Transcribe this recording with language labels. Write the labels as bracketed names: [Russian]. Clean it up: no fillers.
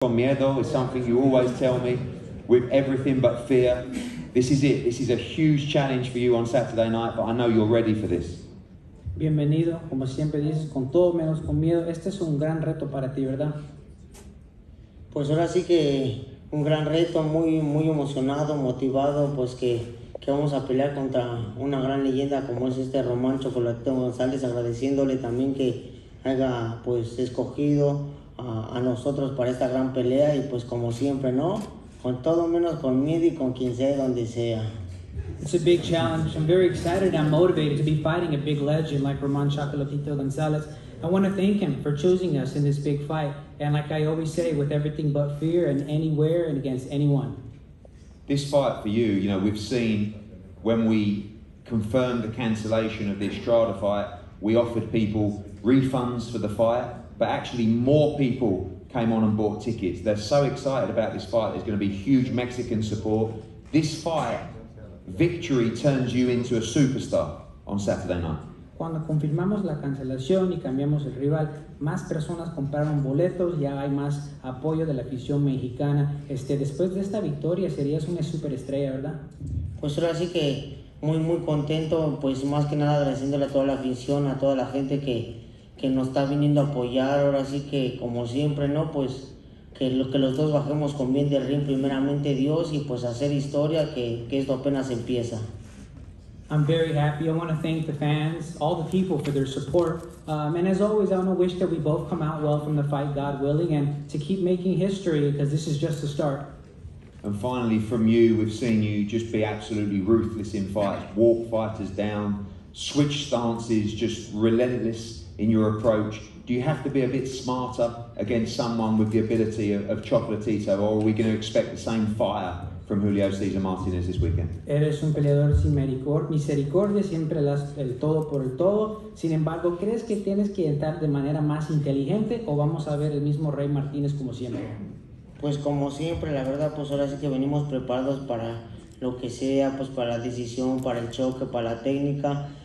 [Spanish] Con miedo [English] is something you always tell me, with everything but fear. This is it. This is a huge challenge for you on Saturday night, but I know you're ready for this. [Spanish] Bienvenido, como siempre dices, con todo menos con miedo. Este es un gran reto para ti, ¿verdad? Pues ahora sí que un gran reto, muy, muy emocionado, motivado, pues que vamos a pelear contra una gran leyenda como es este Román Chocolatito González, agradeciéndole también que haya pues escogido a nosotros para esta gran pelea y pues como siempre, ¿no? Con todo menos con miedo y con quien sea, donde sea. [English] It's a big challenge. I'm very excited and motivated to be fighting a big legend like Román Chocolatito González. I want to thank him for choosing us in this big fight. And like I always say, with everything but fear and anywhere and against anyone. This fight for you, you know, we've seen when we confirmed the cancellation of the Estrada fight, we offered people refunds for the fight, but actually more people came on and bought tickets. They're so excited about this fight. There's going to be huge Mexican support. This fight, victory turns you into a superstar on Saturday night. [Spanish] Cuando confirmamos la cancelación y cambiamos el rival, más personas compraron boletos, ya hay más apoyo de la afición mexicana. Después de esta victoria serías una superestrella, ¿verdad? Pues ahora sí que muy, muy contento, pues más que nada agradeciéndole a toda la afición, a toda la gente que nos está viniendo a apoyar. Ahora sí que, como siempre, ¿no? Pues que los dos bajemos con bien del ring, primeramente Dios, y pues hacer historia, que esto apenas empieza. [English] I'm very happy. I want to thank the fans, all the people for their support. And as always, I want to wish that we both come out well from the fight, God willing, and to keep making history, because this is just the start. And finally, from you, we've seen you just be absolutely ruthless in fights, walk fighters down, switch stances, just relentless in your approach. Do you have to be a bit smarter against someone with the ability of Chocolatito, or are we going to expect the same fire from Julio Cesar Martinez this weekend? [Spanish] Eres un peleador sin misericordia, siempre las el todo por el todo. Sin embargo, ¿crees que tienes que entrar de manera más inteligente o vamos a ver el mismo Rey Martinez como siempre? Pues como siempre, la verdad, pues ahora sí que venimos preparados para lo que sea, pues para la decisión, para el choque, para la técnica.